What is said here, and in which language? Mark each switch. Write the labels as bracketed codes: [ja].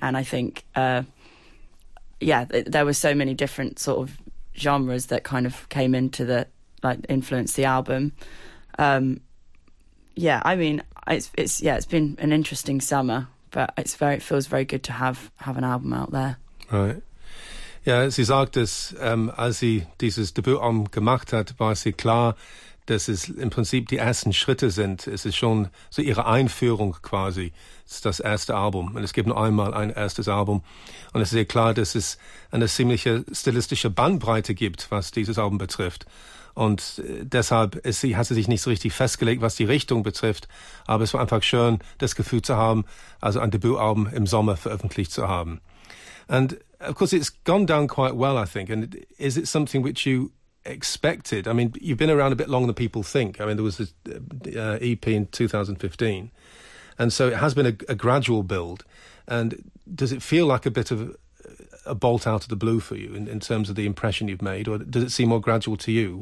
[en] And I think, there were so many different sort of genres that kind of came into the, like, influenced the album. It's been an interesting summer, but it feels very good to have an album out there. Right. [de] Ja, sie sagt, dass als sie dieses Debütalbum gemacht hat, war sie klar, dass es im Prinzip die ersten Schritte sind. Es ist schon so ihre Einführung quasi. Es ist das erste Album. Und es gibt nur einmal ein erstes Album. Und es ist sehr klar, dass es eine ziemliche stilistische Bandbreite gibt, was dieses Album betrifft. Und deshalb hat sie sich nicht so richtig festgelegt, was die Richtung betrifft. Aber es war einfach schön, das Gefühl zu haben, also ein Debütalbum im Sommer veröffentlicht zu haben. [en] And of course, it's gone down quite well, I think. And is it something which you expected? I mean, you've been around a bit longer than people think. I mean, there was an EP in 2015. And so it has been a gradual build. And does it feel like a bit of a bolt out of the blue for you in terms of the impression you've made? Or does it seem more gradual to you?